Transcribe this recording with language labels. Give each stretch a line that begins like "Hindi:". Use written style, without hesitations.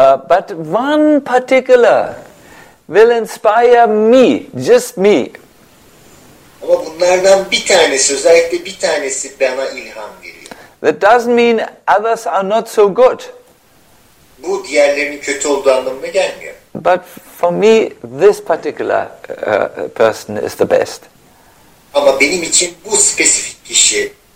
English: But one particular will inspire me, just me.
Turkish: Ama bunlardan bir tanesi, özellikle bir tanesi bana ilham veriyor.
English: That doesn't mean others are not so good.
Turkish: Bu diğerlerinin kötü olduğu anlamına gelmiyor.
English: But for me, this particular person is the best.
Turkish: Ama benim için bu spesifik kişi.